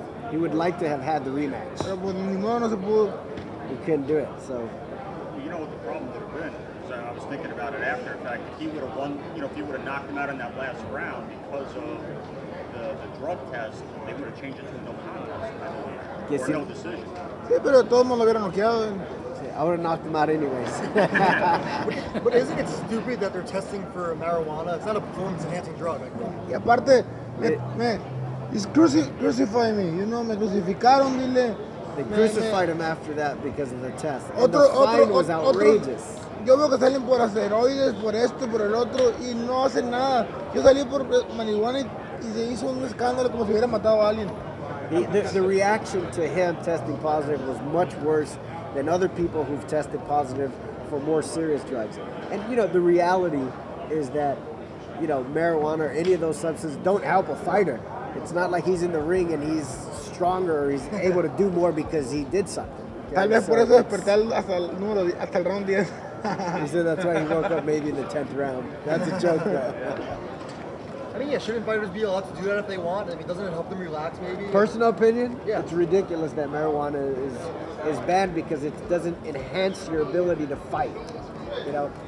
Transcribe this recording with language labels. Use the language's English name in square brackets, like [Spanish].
[English] He would like to have had the rematch. He couldn't do it. So, you know what the problem would have been? So I was thinking about it after. In fact, if he would have won, you know, if he would have knocked him out in that last round because of the drug test, they would have changed it to no contest. Or no decision. [Spanish] Sí, pero todo el mundo lo hubiera noqueado. [English] I would have knocked him out anyways. But isn't it stupid that they're testing for marijuana? It's not a performance-enhancing drug. [Spanish] Y aparte, [English] man, he's crucifying me. You know, [Spanish] me crucificaron, dile. [English] They crucified him after that because of the test. And the fine was outrageous. [Spanish] Yo veo que salen por asteroides, por esto, por el otro, y no hacen nada. Yo salí por marihuana y se hizo un escándalo como si hubiera matado a alguien. [English] The reaction to him testing positive was much worse than other people who've tested positive for more serious drugs. And you know, the reality is that, you know, marijuana or any of those substances don't help a fighter. It's not like he's in the ring and he's stronger or he's able to do more because he did something. [Spanish] Tal vez por eso desperté hasta el round 10. [English] He said that's why he woke up maybe in the 10th round. That's a joke though. I mean, yeah, shouldn't fighters be allowed to do that if they want? I mean, doesn't it help them relax, maybe? Personal opinion? Yeah. It's ridiculous that marijuana is bad because it doesn't enhance your ability to fight, you know?